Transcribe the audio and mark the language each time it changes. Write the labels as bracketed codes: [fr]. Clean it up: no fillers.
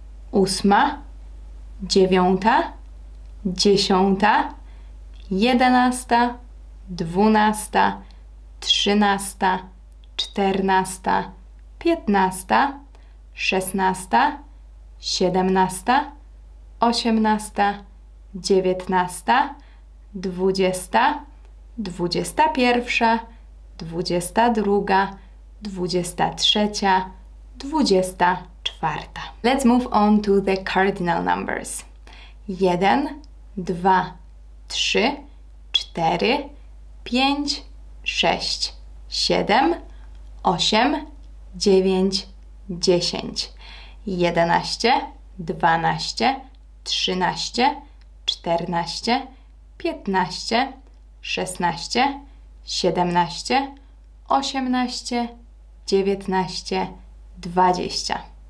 [pl] ósma, dziewiąta, dziesiąta, jedenasta, dwunasta, trzynasta, czternasta, piętnasta, szesnasta, siedemnasta, osiemnasta, dziewiętnasta, dwudziesta, dwudziesta pierwsza, dwudziesta druga, dwudziesta trzecia, dwudziesta czwarta. [en] Let's move on to the cardinal numbers. [pl] Jeden, dwa, trzy, cztery, pięć, sześć, siedem, osiem, dziewięć, dziesięć, jedenaście, dwanaście, trzynaście, czternaście, piętnaście, szesnaście, siedemnaście, osiemnaście, dziewiętnaście, dwadzieścia.